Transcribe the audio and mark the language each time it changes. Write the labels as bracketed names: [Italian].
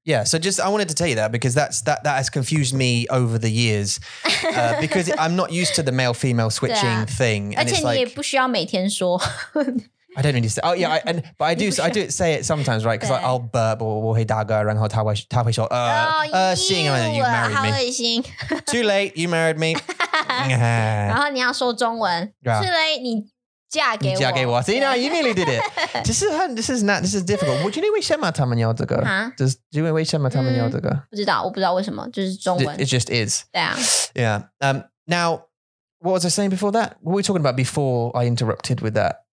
[English] Yeah, so just I wanted to tell you that because that has confused me over the years. because I'm not used to the male female switching [Chinese] 对啊, [English] thing. And [Chinese] 而且你也不需要每天说。 [English] I don't need to say. Oh yeah, I do say it sometimes, right? Because I'll burp or [Chinese] 我会打嗝，然后他会说 恶心, [English] and then you married me. Too late, you married me. [Chinese] 然后你要说中文. [English] Yeah. Too late, [Chinese] 你嫁给我. [English] See now, you nearly did it. This is difficult. Do you know why [Chinese] 为什么他们要这个? [English] Huh? Do you know 为什么他们要这个? [Chinese] 不知道，我不知道为什么，就是中文. [English] It just is. Yeah. Yeah. Now, what was I saying before that? What were we talking about before I interrupted with that?